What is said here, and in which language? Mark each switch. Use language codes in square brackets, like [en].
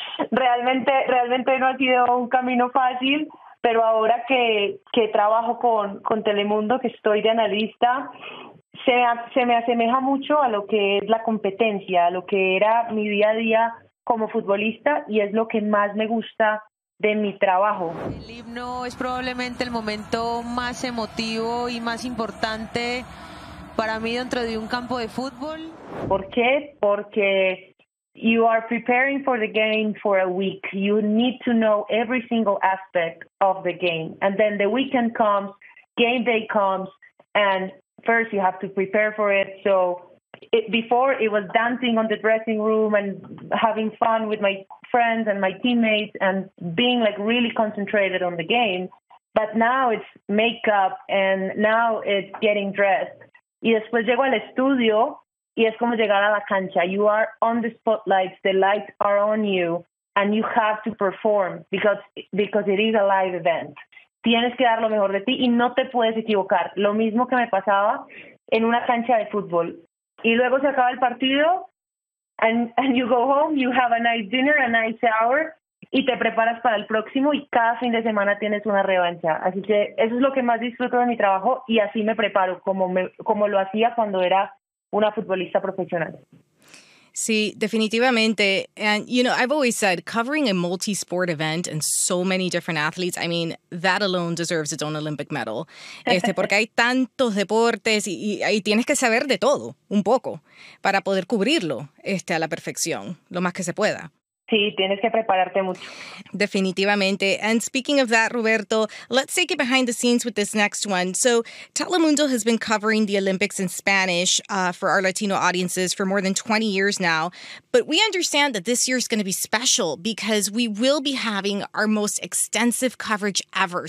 [es] realmente no ha sido un camino fácil. Pero ahora que trabajo con Telemundo, que estoy de analista, se me asemeja mucho a lo que es la competencia, a lo que era mi día a día como futbolista, y es lo que más me gusta de mi trabajo. El himno es probablemente el momento más emotivo y más importante para mí dentro de un campo de fútbol. ¿Por qué? Porque [en] you are preparing for the game for a week. You need to know every single aspect of the game. And then the weekend comes, game day comes, and first you have to prepare for it. So before it was dancing on the dressing room and having fun with my friends and my teammates and being like really concentrated on the game. But now it's makeup and now it's getting dressed. [es] Y después llego al estudio. Y es como llegar a la cancha. [en] You are on the spotlights, the lights are on you, and you have to perform because it is a live event. [es] Tienes que dar lo mejor de ti y no te puedes equivocar. Lo mismo que me pasaba en una cancha de fútbol. Y luego se acaba el partido, [en] and you go home, you have a nice dinner, a nice shower, [es] y te preparas para el próximo, y cada fin de semana tienes una revancha. Así que eso es lo que más disfruto de mi trabajo, y así me preparo, como lo hacía cuando era una futbolista profesional. Sí, definitivamente. [en] And, you know, I've always said covering a multi-sport event and so many different athletes, I mean, that alone deserves its own Olympic medal. [es] Porque hay tantos deportes y tienes que saber de todo, un poco, para poder cubrirlo a la perfección, lo más que se pueda. Sí, tienes que prepararte mucho. Definitivamente. [en] And speaking of that, Roberto, let's take it behind the scenes with this next one. So Telemundo has been covering the Olympics in Spanish for our Latino audiences for more than 20 years now. But we understand that this year is going to be special because we will be having our most extensive coverage ever.